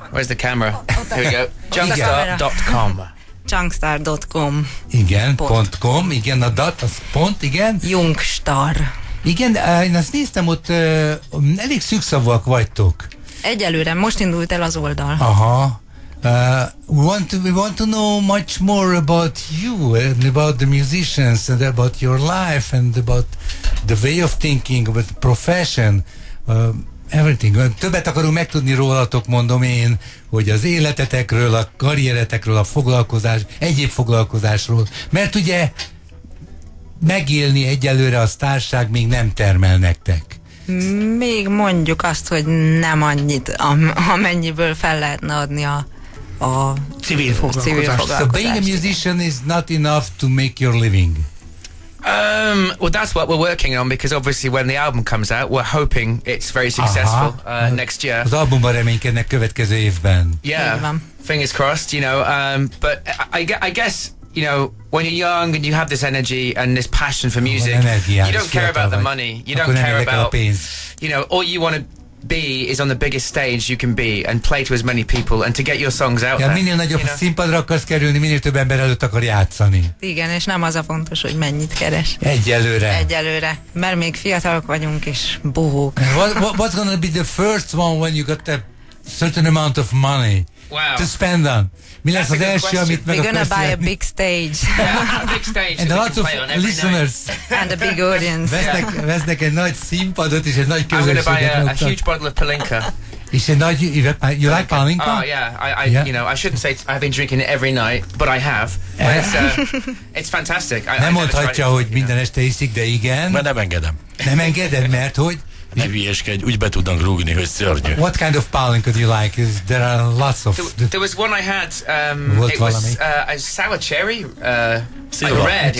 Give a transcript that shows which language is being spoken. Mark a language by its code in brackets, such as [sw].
[en] Where's the camera? Junkstar.com. Junkstar.com. [hu] Igen, .com, igen, a dot, az pont, igen. Junkstar. Igen, én azt néztem, ott elég szükszavúak vagytok. Egyelőre, most indult el az oldal. Aha. [en] We want to know much more about you and about the musicians and about your life and about the way of thinking, about the profession, everything. [hu] Többet akarunk megtudni rólatok, mondom én, hogy az életetekről, a karrieretekről, a foglalkozás, egyéb foglalkozásról. Mert ugye megélni egyelőre a sztárság még nem termel nektek. Még mondjuk azt, hogy nem annyit, amennyiből fel lehetne adni a civil foglalkozás. [en] So being a musician is not enough to make your living. Well, that's what we're working on, because obviously when the album comes out, we're hoping it's very successful next year. [hu] Az albumban reménykednek következő évben. [en] Yeah, fingers crossed, you know. But I guess, you know, when you're young and you have this energy and this passion for music, you don't care about the money. You don't care about, you know, all you want to be is on the biggest stage you can be and play to as many people and to get your songs out there. [hu] Minél nagyobb színpadra akarsz kerülni, minél több ember előtt akar játszani. Igen, és nem az a fontos, hogy mennyit keres. Egyelőre. Mert még fiatalok vagyunk és bohók. [en] What's gonna be the first one when you got a certain amount of money to spend on? [hu] Mi lesz az első, amit meg akarsz jelni? [en] We're gonna buy a big stage. And a lot of listeners. And a big audience. [hu] Vesznek egy nagy színpadot és egy nagy közönséget. [en] I'm gonna buy a huge bottle of Palinka. [hu] És egy nagy, [en] you like Palinka? Oh yeah, I, you know, I shouldn't say I've been drinking it every night, but I have. It's fantastic. [hu] Nem mondhatja, hogy minden este iszik, de igen. Mert nem engedem. Nem engeded, mert hogy? Ne hülyeskedj, úgy be tudnak rúgni, hogy szörnyű. [en] What kind of palinka do you like? Is there are lots of... There was one I had, it was a sour cherry, red.